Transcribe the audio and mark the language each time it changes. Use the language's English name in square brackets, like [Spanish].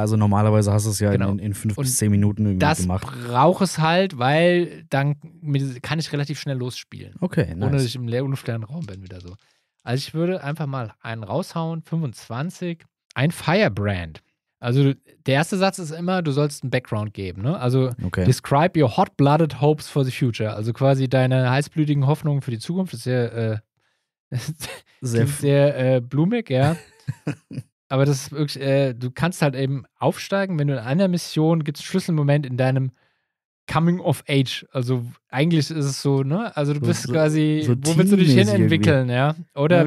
[German] Also normalerweise hast du es ja in 5 bis 10 Minuten irgendwie das gemacht. Das brauche es halt, weil dann kann ich relativ schnell losspielen. Okay, nice. Ohne dass ich im leeren Raum bin wieder so. Also ich würde einfach mal einen raushauen, 25. Ein Firebrand. Also der erste Satz ist immer, du sollst einen Background geben. Ne? [English] Also describe your hot-blooded hopes for the future. [German] Also quasi deine heißblütigen Hoffnungen für die Zukunft. Das ist ja sehr blumig, ja. Aber das ist wirklich, du kannst halt eben aufsteigen, wenn du in einer Mission gibt es einen Schlüsselmoment in deinem Coming of Age. Also eigentlich ist es so, ne? Also du bist quasi, wo willst du dich hin entwickeln, irgendwie.